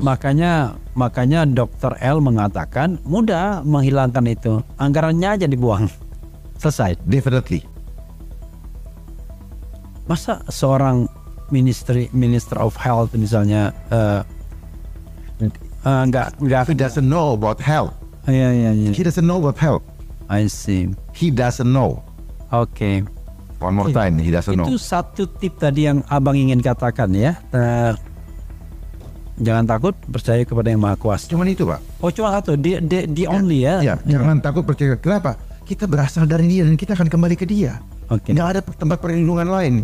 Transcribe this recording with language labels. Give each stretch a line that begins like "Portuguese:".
Indonesian: Makanya Dr. L mengatakan mudah menghilangkan itu. Anggarannya aja dibuang. Selesai.
English: Definitely.
Indonesian: Masa seorang
English: minister of health
Indonesian: misalnya enggak
English: he doesn't know about health. Yeah. He doesn't know about health. I see. He doesn't know. Okay. One more time, he doesn't know.
Indonesian: Itu satu tip tadi yang Abang ingin katakan ya. Jangan takut, percaya kepada Yang Maha Kuasa. Cuman itu, Pak. Oh, cuma satu.
English: The only
Indonesian: ya. Iya, jangan takut, percaya. Kenapa? Kita berasal dari Dia dan kita akan kembali ke Dia.
English: Okay.
Indonesian: Nggak ada tempat perlindungan lain.